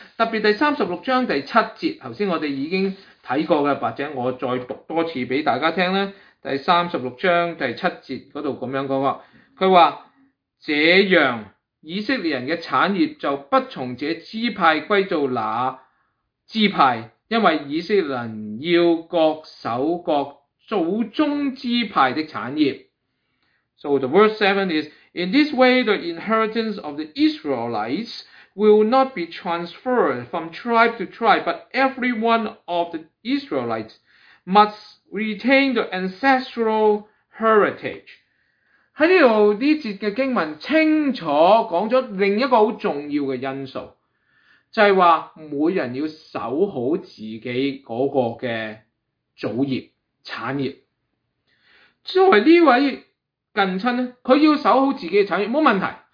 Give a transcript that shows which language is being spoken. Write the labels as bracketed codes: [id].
[zh] 特别第36章第7节，刚才我们已经看过的，或者我再读多次给大家听，第36章第7节那里这样说，他说这样以色列人的产业就不从这支派归到那支派，因为以色列人要各守各祖宗支派的产业。 [en] So the verse 7 is In this way the inheritance of the IsraelitesWill not be transferred from tribe to tribe, but every one of the Israelites must retain the ancestral heritage. [zh] 在这里这节的经文清楚讲了另一个很重要的因素，就是说每人要守好自己那个的祖业产业。作为这位近亲，他要守好自己的产业没问题。